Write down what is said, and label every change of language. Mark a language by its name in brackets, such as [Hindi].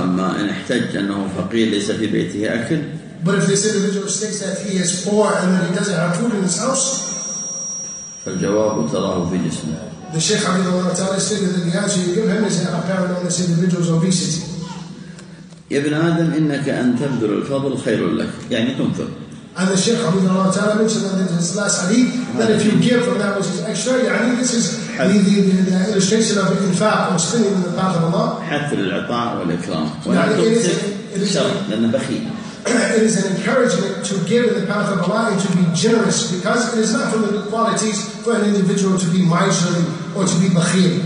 [Arabic] أما إن احتج أنه فقير ليس في بيته أكل. [English] But if this individual states that he is poor and that he doesn't have food in his house, [Arabic] فالجواب تراه في جسمه. [English] The Shaykh Hafidhahu Ta'ala stated that the answer you give him is apparent on this individual's obesity. [Arabic] يا ابن آدم إنك أن تبذل الفضل خير لك، يعني تنفق. [English] And the Shaykh Hafidhahu Ta'ala mentioned that in his last hadith that if you give from that which is extra, يعني this is the illustration of infaq or spending in the path of Allah. [Arabic] حتى للعطاء والإكرام. يعني [English] it is an encouragement to give in the path of Allah and to be generous because it is not from the qualities for an individual to be miserly or to be bakhil.